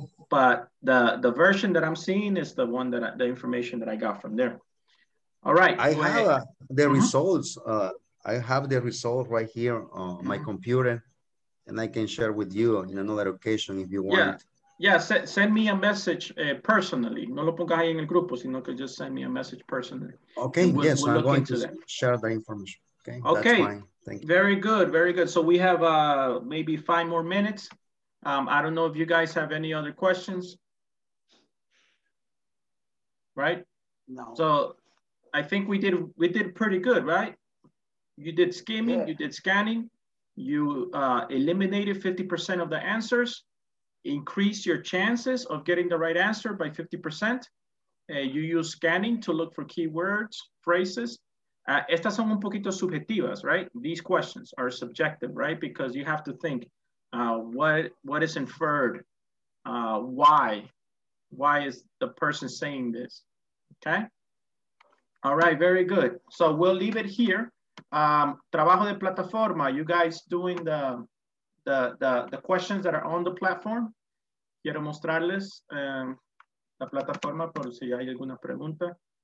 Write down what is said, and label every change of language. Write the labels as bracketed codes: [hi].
[en] But the version that I'm seeing is the one the information that I got from there. All right. I have the results. I have the results right here on my computer, and I can share with you in another occasion if you want. Yeah. Send me a message personally. [es] No lo pongas ahí en el grupo, sino que [en] just send me a message personally. Okay. We'll I'm going to share the information. Okay. Okay. That's fine. Thank you. Very good. Very good. So we have maybe five more minutes. I don't know if you guys have any other questions, right? No. So I think we did pretty good, right? You did skimming, yeah. You did scanning, you eliminated 50% of the answers, increased your chances of getting the right answer by 50%. You use scanning to look for keywords, phrases. [es] Estas son un poquito subjetivas, [en] right? These questions are subjective, right? Because you have to think, what is inferred? Why is the person saying this? Okay. All right. Very good. So we'll leave it here. [es] Trabajo de plataforma. [en] You guys doing the questions that are on the platform. [es] Quiero mostrarles la plataforma por si hay alguna pregunta.